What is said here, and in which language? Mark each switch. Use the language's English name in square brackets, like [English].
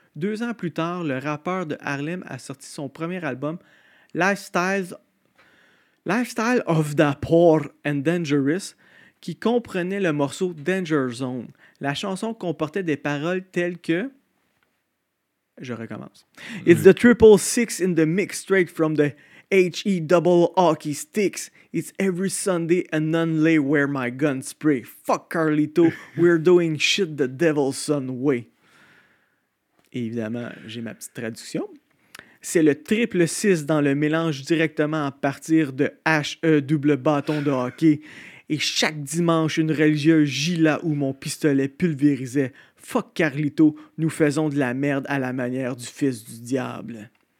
[French] 2 ans plus tard, le rappeur de Harlem a sorti son premier album, Lifestyle of the Poor and Dangerous, qui comprenait le morceau Danger Zone. La chanson comportait des paroles telles que... Je recommence. [English] It's the 666 in the mix straight from the H-E double hockey sticks. It's every Sunday a nun lay where my gun spray. Fuck Carlito, we're doing shit the devil's son way. [French] Évidemment, j'ai ma petite traduction. C'est le 666 dans le mélange directement à partir de H-E double bâton de hockey. Et chaque dimanche, une religieuse gît là où mon pistolet pulvérisait. Fuck Carlito, nous faisons de la merde à la manière du fils du diable.